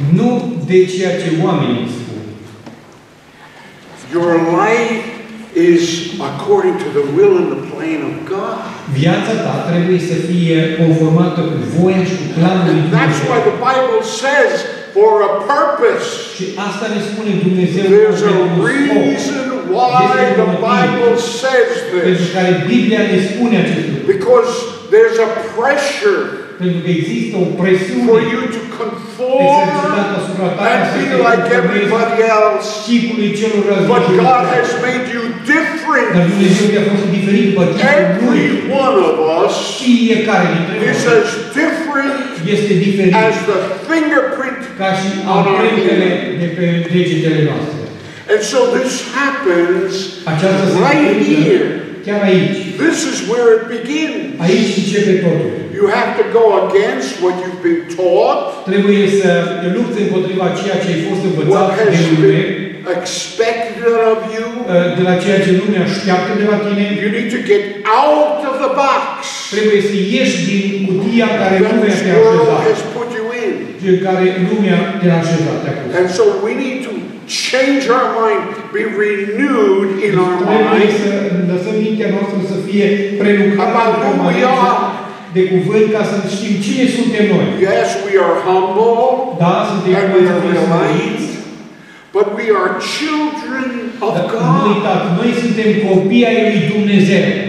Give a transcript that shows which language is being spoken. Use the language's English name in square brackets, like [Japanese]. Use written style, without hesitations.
[Romanian] Nu de ceea ce oamenii spun. [English] Your life is according to the will and the plan of God. [Romanian] Viața ta trebuie să fie conformată cu voia și cu planul lui Dumnezeu. [English] That's why the Bible says for a purpose. [Romanian] Și asta ne spune Dumnezeu. [English] There's a reason why the Bible says this. [Romanian] Pentru care Biblia ne spune acest lucru. [English] Because there's a pressure. [Romanian] Pentru că există o presiune. [English] For you to conform and be like everybody else. But God has made you different. [Romanian] Dar Dumnezeu te-a făcut diferit. [English] Every one of us. [Romanian] Fiecare dintre noi. [English] Is different. [Romanian] Este diferit. [English] As the fingerprint. [Romanian] Ca și amprentele de pe degetele noastre. [English] And so this happens. [Romanian] Aceasta se întâmplă. Aici. [English] This is where it begins. [Romanian] Aici începe totul. [English] You have to go against what you've been taught. [Romanian] Trebuie să te lupți împotriva ceea ce ai fost învățat [English] what [Romanian] de lume. [English] Expected of you. [Romanian] De la ceea ce lumea așteaptă de la tine. [English] You need to get out of the box. [Romanian] Trebuie să ieși din cutia care lumea te-a așezat. [English] Has put you in. [Romanian] De care lumea te-a așezat, te-a pus. [English] And so we need to change our mind, be renewed in our mind. [Romanian] Trebuie să lăsăm mintea noastră să fie prelucrată cu mintea de cuvânt ca să știm cine suntem noi. [English] Yes, we are humble. [Romanian] Da, suntem [English] and we are realized. But we are children of God. [Romanian] Noi suntem copii ai lui Dumnezeu.